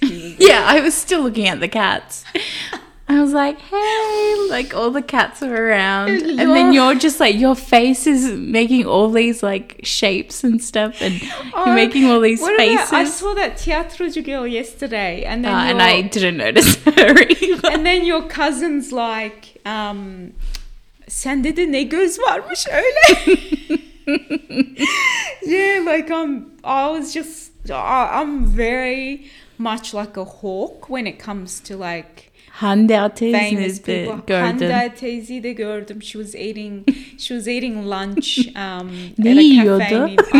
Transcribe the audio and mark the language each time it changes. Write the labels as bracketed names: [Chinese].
[English] Yeah, I was still looking at the cats. I was like, hey, like all the cats are around. And then you're just like, your face is making all these like shapes and stuff, and you're making all these faces. I saw that Tiyatrocu girl yesterday. And then and I didn't notice her either. And then your cousin's like, [Turkish] sende de ne göz varmış öyle? [English] Yeah, like I'm very much like a hawk when it comes to like, [Turkish] Hande Atezi'de gördüm. [English] She was eating lunch at a cafe.